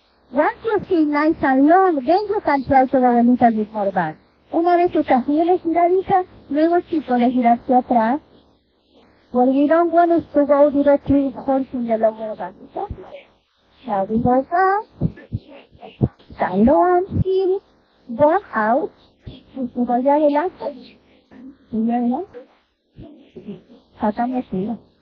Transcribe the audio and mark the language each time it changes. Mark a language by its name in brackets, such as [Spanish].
[English] Once you feel nice and long, then you can try to go a bit more back. [Spanish] Una vez que estás bien estiradita, luego sí puedes gira hacia atrás. [English] Well, we don't want us to go directly forcing the lower back. Shall we go back? Side on, heel, back out. [Spanish] Y voy adelante. Y adelante. Sacamos el tiro.